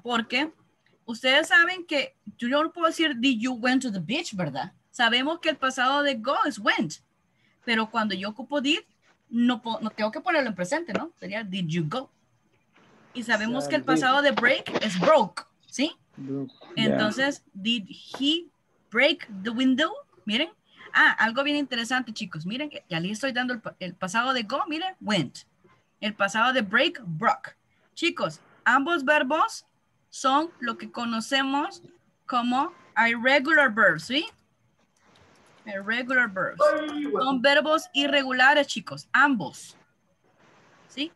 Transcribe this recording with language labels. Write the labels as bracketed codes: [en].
[es] Porque ustedes saben que yo no puedo decir, [en] did you went to the beach, [es] ¿verdad? Sabemos que el pasado de go es went. Pero cuando yo ocupo did, no tengo que ponerlo en presente, ¿no? Sería, [en] did you go? [es] Y sabemos que el pasado de break es broke, ¿sí? Entonces, [en] did he break the window? [es] Miren. Ah, algo bien interesante, chicos. Miren, ya le estoy dando el pasado de go, miren, went. El pasado de break, broke. Chicos, ambos verbos son lo que conocemos como irregular verbs, ¿sí? Irregular verbs. Son verbos irregulares, chicos. Ambos. ¿Sí?